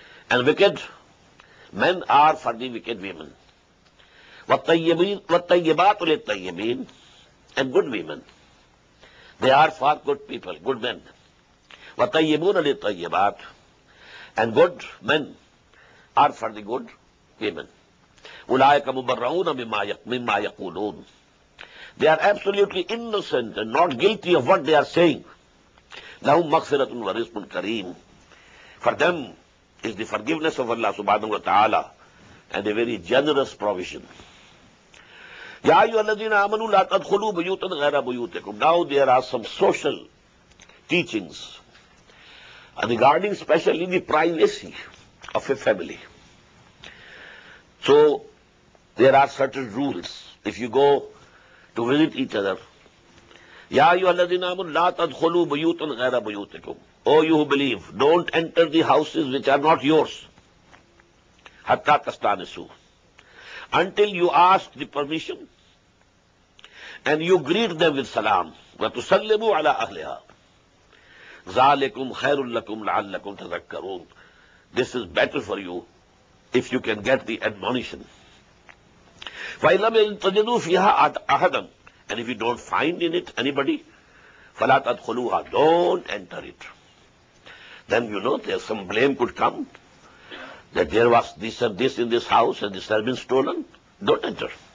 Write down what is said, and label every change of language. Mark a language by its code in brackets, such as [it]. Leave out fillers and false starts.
[en] And wicked men are for the wicked women. [ar] Wat-tayyibatu lil-tayyibin. [en] And good women, they are for good people, good men. [ar] Wat-tayyibuna lil-tayyibat. [en] And good men are for the good women. [ar] أولئك مبرعون مما يقولون. [en] They are absolutely innocent and not guilty of what they are saying. [ar] لهم مغفرة ورزق كريم. [en] For them is the forgiveness of Allah subhanahu wa ta'ala and a very generous provision. [ar] يا أيها الذين آمنوا لا تدخلوا بيوتا غير بيوتكم. [en] Now there are some social teachings regarding especially the privacy of a family. So there are certain rules. If you go to visit each other, [ar] يا أيها الذين آمنوا لا تدخلوا بيوتا غير بيوتكم. [en] Oh you who believe, don't enter the houses which are not yours. [ar] حتى تستأنسوا. [en] Until you ask the permission and you greet them with salam. [ar] وتسلموا على أهلها. ذلكم خير لكم لعلكم تذكرون. [en] This is better for you if you can get the admonition. [ar] فإن لم تجدوا فيها أحدا, [en] and if you don't find in it anybody, [ar] فلا تدخلوها, [en] don't enter it. Then you know there some blame could come that there was this and this in this house and this has been stolen, don't enter.